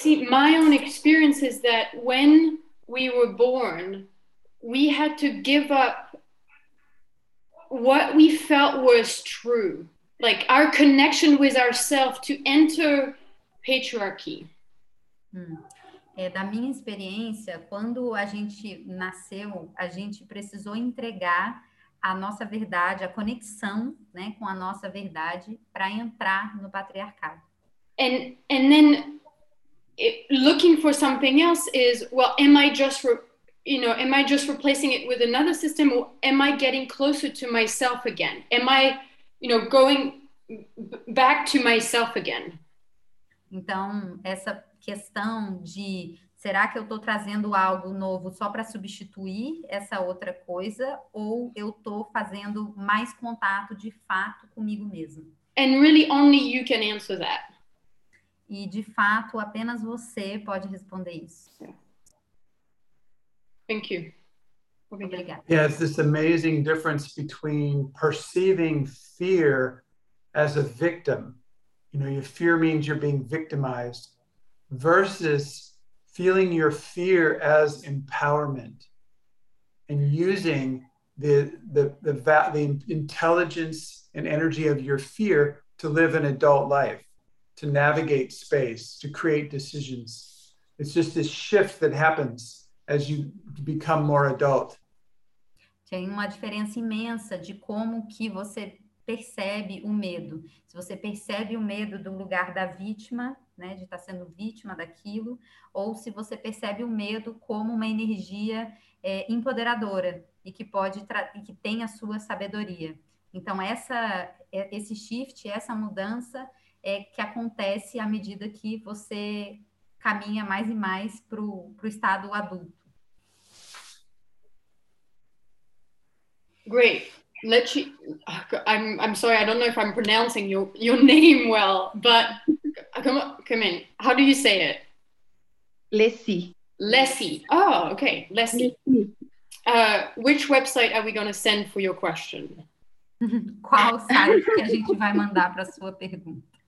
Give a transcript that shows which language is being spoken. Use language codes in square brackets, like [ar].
[en] My own experience is that when we were born, we had to give up what we felt was true, like our connection with ourselves to enter patriarchy. [pt] Da minha experiência, quando a gente nasceu, a gente precisou entregar a nossa verdade, a conexão, né, com a nossa verdade para entrar no patriarcado. [en] And then looking for something else is, well, am I just am I just replacing it with another system, or am I getting closer to myself again? Am I, going back to myself again? [pt] Então, essa questão de será que eu estou trazendo algo novo só para substituir essa outra coisa, ou eu estou fazendo mais contato de fato comigo mesmo? [en] And really only you can answer that. [pt] E de fato, apenas você pode responder isso. [en] Thank you. [pt] Obrigada. [en] Yeah, it's this amazing difference between perceiving fear as a victim. You know, your fear means you're being victimized versus feeling your fear as empowerment and using the intelligence and energy of your fear to live an adult life, to navigate space, to create decisions. It's just this shift that happens as you become more adult. [pt] Tem uma diferença imensa de como que você percebe o medo. Se você percebe o medo do lugar da vítima, né, de estar sendo vítima daquilo, ou se você percebe o medo como uma energia empoderadora e que pode e que tem a sua sabedoria. Então, esse shift, essa mudança é que acontece à medida que você caminha mais e mais para o estado adulto. [en] Great. I'm sorry, I don't know if I'm pronouncing your name well, but come in. How do you say it? Lessie. Lessie. Oh, okay. Lessie. Lessie. Which website are we going to send for your question? [pt] Qual site que a gente vai mandar para sua pergunta?